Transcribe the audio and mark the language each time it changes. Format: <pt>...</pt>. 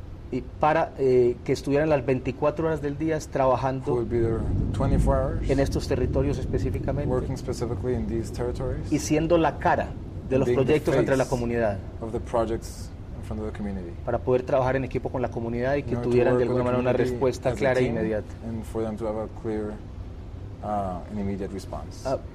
<es>Y para que estuvieran las 24 horas del día trabajando</es> <en>24 hours,</en> <es>en estos territorios específicamente,</es> <en>working specifically in these territories,</en> <es>y siendo la cara de los proyectos entre la comunidad,</es> <en>of the projects in front of the community,</en> <es>para poder trabajar en equipo con la comunidad y que tuvieran de alguna manera una respuesta clara e inmediata.</es> <en>And for them to have a clear and immediate response.</en>